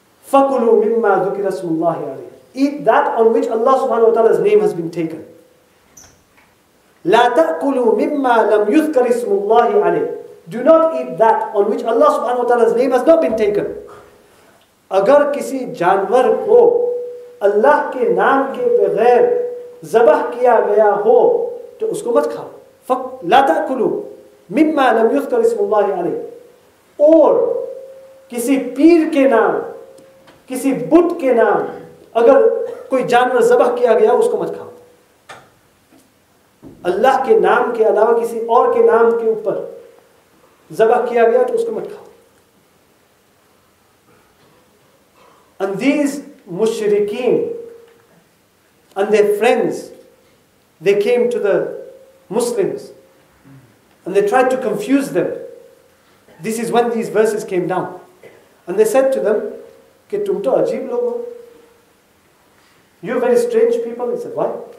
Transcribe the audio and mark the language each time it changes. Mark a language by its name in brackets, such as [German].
[Arabic] فَكُلُوا مِمَّا ذُكِرَ اسْمُ اللَّهِ عَلَيْهِ. [English] Eat that on which Allah subhanahu wa ta'ala's name has been taken. [Arabic] لَا تَأْكُلُوا مِمَّا لَمْ يُذْكَرِ اسْمُ اللَّهِ عَلَيْهِ. [English] Do not eat that on which Allah subhanahu wa ta'ala's name has not been taken. [Urdu] اگر کسی جانور کو اللہ کے نام کے بغیر ذبح کیا گیا ہو تو اس کو مت کھاؤ. [Arabic] لَا تَأْكُلُوا مِمَّا لَمْ يُذْكَرِ اسْمُ اللَّهِ عَلَيْهِ. [Urdu] اور کسی پیر کے نام, کسی بت کے نام اگر کوئی جانور ذبح کیا گیا اس کو مت کھاؤ. اللہ کے نام کے علاوہ کسی اور کے نام کے اوپر ذبح کیا گیا تو اس کو مت کھاؤ. [English] And these mushrikeen and their friends, they came to the Muslims and they tried to confuse them. This is when these verses came down. And they said to them, [Urdu] ke tum to ajeeb logo, [English] you are very strange people. He said, why?